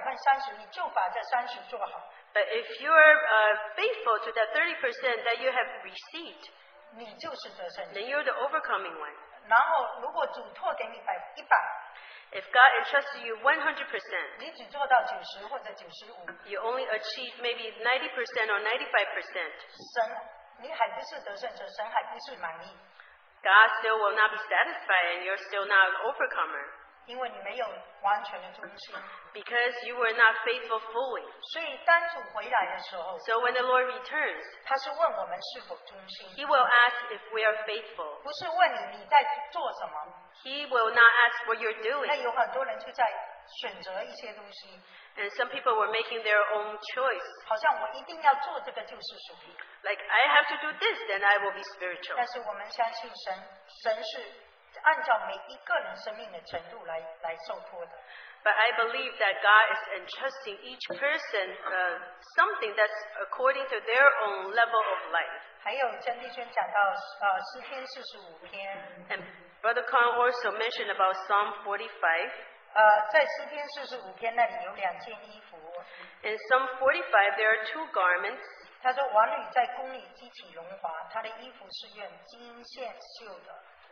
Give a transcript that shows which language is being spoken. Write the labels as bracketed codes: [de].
[en] But if you are faithful to that 30% that you have received, then you're the overcoming one. [zh] 然后如果主托给你百分之百, [en] if God entrusted you 100%, [zh] 你只做到90或者95, [en] you only achieve maybe 90% or 95%. [zh] 神, 你还不是得胜者, 神还不是满意。 [en] God still will not be satisfied and you're still not an overcomer. [zh] 因为你没有完全的忠心。 [en] Because you were not faithful fully. [zh] 所以当主回来的时候, [en] so when the Lord returns, [zh] 他是问我们是否忠心。 [en] He will ask if we are faithful. [zh] 不是问你你在做什么。 [en] He will not ask what you're doing. [zh] 那有很多人就在选择一些东西。 [en] And some people were making their own choice. [zh] 好像我一定要做这个就是属灵。 [en] Like, I have to do this, then I will be spiritual. [zh] 但是我们相信神, 神是按照每一个人生命的程度 来受托的。 [en] But I believe that God is entrusting each person something that's according to their own level of life. [zh] 还有真弟兄讲到诗篇四十五篇。 [en] And Brother Kong also mentioned about Psalm 45. [zh] 在诗篇四十五篇那里有两件衣服。 [en] In Psalm 45, there are two garments. [zh] 他说王女在宫里激起荣华，她的衣服是用金线绣的。